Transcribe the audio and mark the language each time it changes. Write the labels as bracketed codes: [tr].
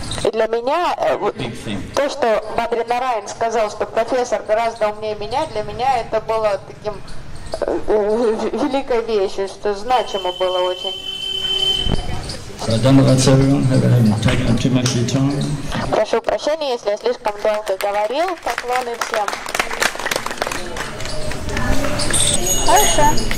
[ru] И для меня то, что Бадри Нараян сказал, что профессор гораздо умнее меня, для меня это было таким великой вещью, что значимо было очень. [en] So I don't know if that's everyone. Have I taken up too much of your time? [ru] Прошу прощения, если я слишком долго говорил. Поклоны всем. Хорошо.